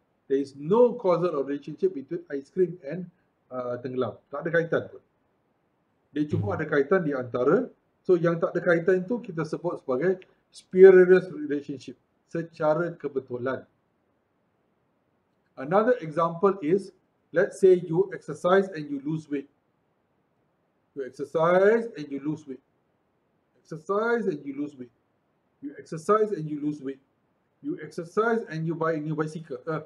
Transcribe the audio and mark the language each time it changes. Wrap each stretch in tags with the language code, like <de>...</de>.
<en>There is no causal relationship between ice cream and tenggelam.</en> <ms>Tak ada kaitan pun. Dia cuma ada kaitan di antara. So yang tak ada kaitan itu kita sebut sebagai spurious relationship. Secara kebetulan.</ms> <en>Another example is, let's say you exercise and you lose weight. You exercise and you lose weight. Exercise and you lose weight. You exercise and you lose weight. You exercise and you buy a new bicycle.</en>